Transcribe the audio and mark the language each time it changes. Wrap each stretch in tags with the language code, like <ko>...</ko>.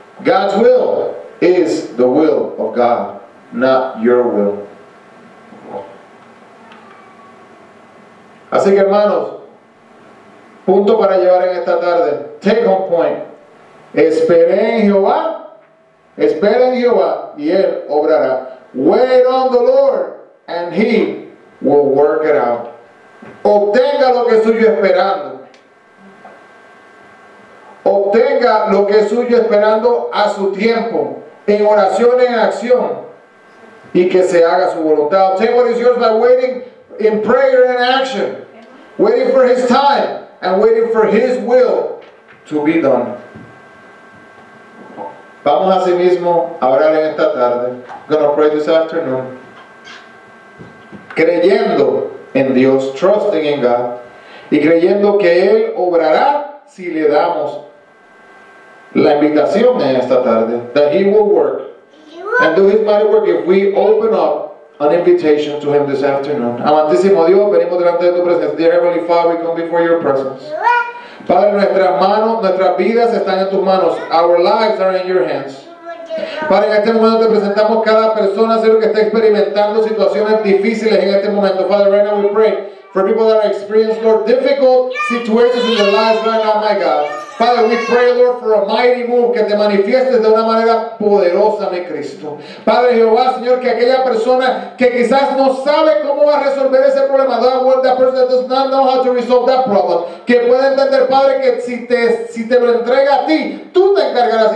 <en>God's will is the will of God, not your will.</en> <es>Así que hermanos, punto para llevar en esta tarde.</es> <en>Take home point.</en> <es>Esperen Jehová y él obrará.</es> <en>Wait on the Lord and he will work it out.</en> <es>Obtenga lo que es suyo esperando. Obtenga lo que es suyo esperando a su tiempo, en oración, en acción, y que se haga su voluntad.</es> <en>Obtain what is yours by waiting in prayer and action, waiting for his time and waiting for his will to be done.</en> <es>Vamos a sí mismo a orar en esta tarde.</es> <en>Gonna pray this afternoon.</en> <es>Creyendo en Dios,</es> <en>trusting in God,</en> <es>y creyendo que Él obrará si le damos la invitación en esta tarde.</es> <en>That He will work and do His mighty work if we open up an invitation to Him this afternoon.</en> <es>Amantísimo Dios, venimos delante de tu presencia.</es> <en>Dear Heavenly Father, we come before your presence.</en> <es>Padre, nuestras manos, nuestras vidas están en tus manos.</es> <en>Our lives are in your hands.</en> <es>Padre, en este momento te presentamos cada persona, Señor, que está experimentando situaciones difíciles en este momento.</es> <en>Father, right now we pray for people that are experiencing, Lord, difficult situations in their lives right now, my God. Father, we pray, Lord, for a mighty move,</en> <es>que te manifiestes de una manera poderosa, mi Cristo. Padre Jehová, Señor, que aquella persona que quizás no sabe cómo va a resolver ese problema,</es> <en>that person that does not know how to resolve that problem,</en> <es>que pueda entender, Padre, que si te lo entrega a ti, tú te encargarás.</es>